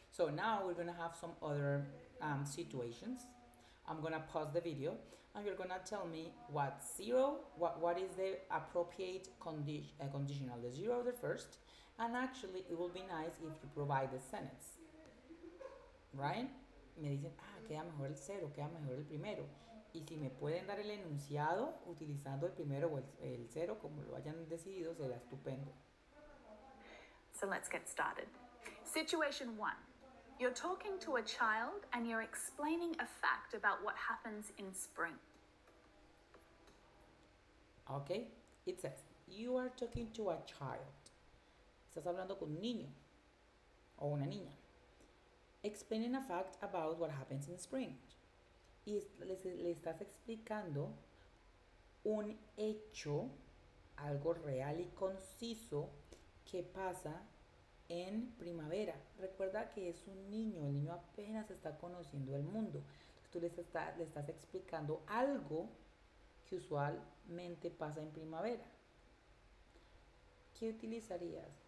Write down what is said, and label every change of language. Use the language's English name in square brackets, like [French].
[English] So now we're going to have some other situations. I'm going to pause the video and you're going to tell me what's zero, what is the appropriate conditional, the zero or the first. And actually, it will be nice if you provide the sentence. Right? [Spanish] Me dicen, ah, queda mejor el cero, queda mejor el primero. Y si me pueden dar el enunciado utilizando el primero o el cero, como lo hayan decidido, será estupendo. [English] So let's get started. Situation one. You're talking to a child and you're explaining a fact about what happens in spring. Okay. It says, you are talking to a child. [Spanish] Estás hablando con un niño o una niña. [English] Explaining a fact about what happens in spring. [Spanish] Y le estás explicando un hecho, algo real y conciso, que pasa en primavera. Recuerda que es un niño, el niño apenas está conociendo el mundo. Entonces tú le estás explicando algo que usualmente pasa en primavera. ¿Qué utilizarías?